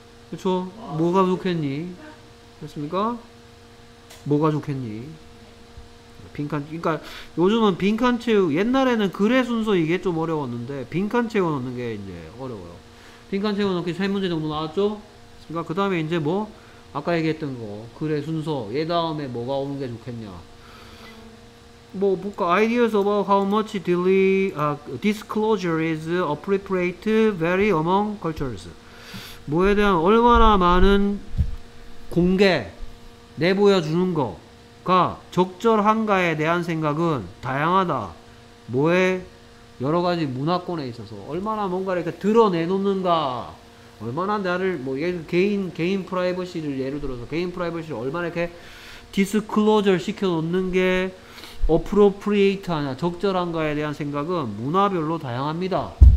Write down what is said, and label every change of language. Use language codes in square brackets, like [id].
[ko] 그렇죠? 뭐가 좋겠니? 됐습니까? 뭐가 좋겠니? 빈칸. 그러니까 요즘은 빈칸 채우. 옛날에는 글의 순서 이게 좀 어려웠는데 빈칸 채워 넣는 게 이제 어려워요. 빈칸 채워 넣기 세 문제 정도 나왔죠? 됐습니까? 그 다음에 이제 뭐 아까 얘기했던 거 글의 순서. 얘 다음에 뭐가 오는 게 좋겠냐? 뭐 볼까? [en] Ideas about how much disclosure is appropriate vary among cultures. [ko] 뭐에 대한 얼마나 많은 공개 내보여주는 거가 적절한가에 대한 생각은 다양하다. 뭐에 여러 가지 문화권에 있어서 얼마나 뭔가를 이렇게 드러내놓는가. 얼마나 나를 뭐 개인 프라이버시를 예를 들어서 개인 프라이버시를 얼마나 이렇게 디스클로저 시켜놓는 게 appropriate 하냐, 적절한가에 대한 생각은 문화별로 다양합니다.